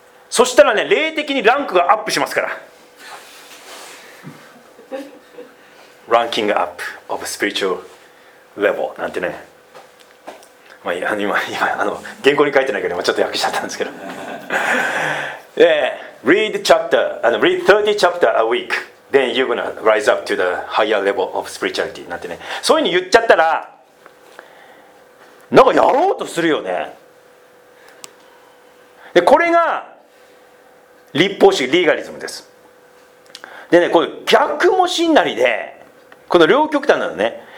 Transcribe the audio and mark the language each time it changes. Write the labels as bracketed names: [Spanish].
[Japanese] そしたらね、霊的にランクがアップしますから。ランキングアップ [English] of spiritual level [Japanese] なんてね。まあ、今原稿に書いてないけど、ちょっと訳しちゃったんですけど。 [English] read chapter, read 30 chapter a week. Then you're gonna rise up to the higher level of spirituality [Japanese] なんてね。そういうふうに言っちゃったら、なんかやろうとするよね。で、これが、立法主義、リーガリズムです。でね、これ逆もしんなりで、この両極端なのね。